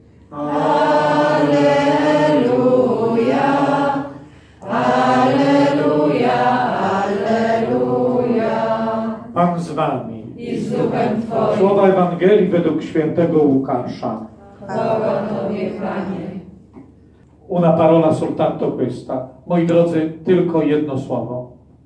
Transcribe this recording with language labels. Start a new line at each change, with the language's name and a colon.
Polish: Alleluja, alleluja, alleluja. Pan z wami. I z duchem Twoim. Słowa Ewangelii według świętego Łukasza. Chwała Tobie, Panie.
Italian: Una parola soltanto questa.
Polish: Moi drodzy, tylko jedno słowo.